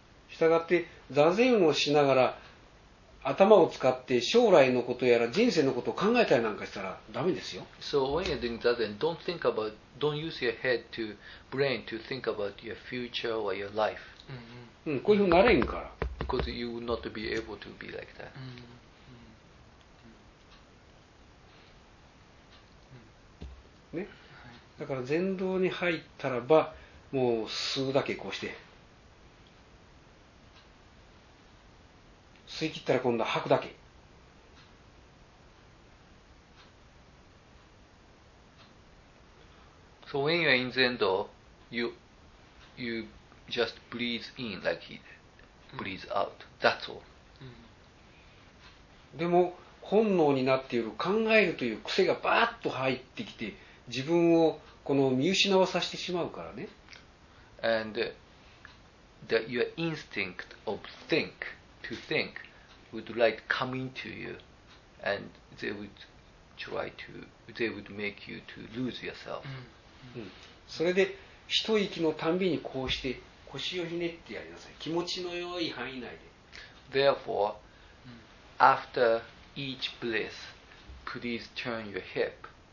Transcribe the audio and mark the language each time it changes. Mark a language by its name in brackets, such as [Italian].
[Japanese] したがって座禅をしながら頭を使って将来のことやら人生のことを考えたりなんかしたらダメですよ。 [English] So when you're doing zazen, don't think about, don't use your head to brain to think about your future or your life. [Japanese] こういうふうになれんから。 [English] Because you would not be able to be like that. ね。 [Japanese] だから禅堂に入ったらば、もう吸うだけこうして。吸い切ったら今度は吐くだけ。 [English] So when you're in Zen Do, you just breathe in like he breathes out. That's all. [Japanese] でも本能になっている考えるという癖がバーッと入ってきて、自分をこの見失わさせてしまうからね。 [English] And that your instinct of think to think. Would like come into you, and they would try to, they would make you to lose yourself. [Japanese] それで一息のたんびにこうして腰をひねってやりなさい。気持ちの良い範囲内で。 [English] Therefore, after each breath, please turn your hip.